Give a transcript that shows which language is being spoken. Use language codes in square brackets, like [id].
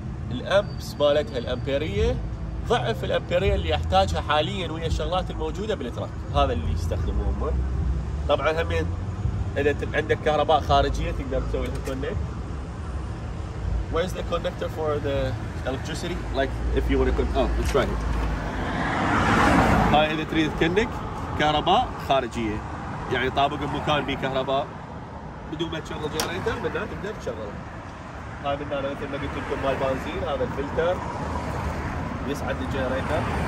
[ar] الامبس مالتها الامبيريه ضعف الامبيريه اللي احتاجها حاليا ويا الشغلات الموجوده بالتراك. هذا اللي يستخدمه هم. طبعا هم إذا عندك كهرباء خارجية تقدر تسوي لها كونكت. [en] Where's the connector for the electricity? Like if you want to connect. Oh, let's try it. [ar] هاي إذا تريد تكنك كهرباء خارجية، يعني طابق المكان بيه كهرباء بدون ما تشغل جنريتر، من هنا تقدر تشغله. هاي من هنا مثل ما قلت لكم مال بنزين، هذا الفلتر يصعد الجنريتر.